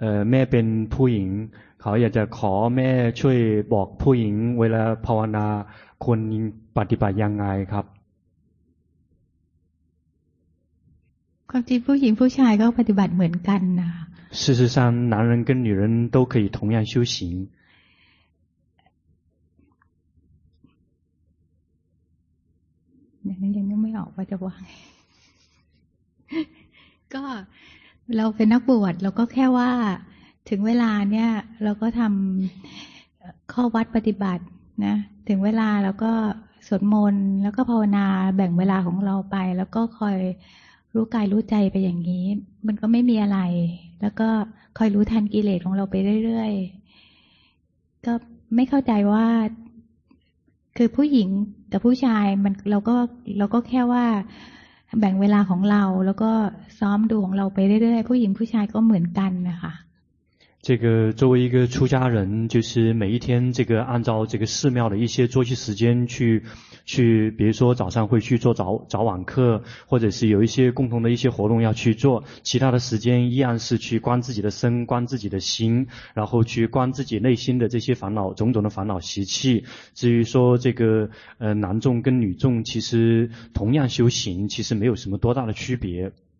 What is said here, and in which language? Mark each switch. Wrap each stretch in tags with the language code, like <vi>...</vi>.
<th>แม่เป็นผู้หญิงเขาอยากจะขอแม่ช่วยบอกผู้หญิงเวลาภาวนาควรปฏิบัติยังไงครับ ความจริงผู้หญิงผู้ชายก็ปฏิบัติเหมือนกันนะ</th> <zh>事实上男人跟女人都可以同样修行</zh> <th>ยังไม่ออกว่าจะว่าก็เราเป็นนักบวชเราก็แค่ว่าถึงเวลาเนี่ยเราก็ทำข้อวัดปฏิบัตินะถึงเวลาเราก็สวดมนต์แล้วก็ภาวนาแบ่งเวลาของเราไปแล้วก็คอยรู้กายรู้ใจไปอย่างนี้มันก็ไม่มีอะไรแล้วก็คอยรู้ทันกิเลสของเราไปเรื่อยๆก็ไม่เข้าใจว่า คือผู้หญิงกับผู้ชายมันเราก็แค่ว่าแบ่งเวลาของเราแล้วก็ซ้อมดูของเราไปเรื่อยๆผู้หญิงผู้ชายก็เหมือนกันนะคะ</th> <zh>这个作为一个出家人就是每一天这个按照这个寺庙的一些作息时间去比如说早上会去做早晚课或者是有一些共同的一些活动要去做其他的时间依然是去观自己的身观自己的心然后去观自己内心的这些烦恼种种的烦恼习气至于说这个男众跟女众其实同样修行其实没有什么多大的区别</zh>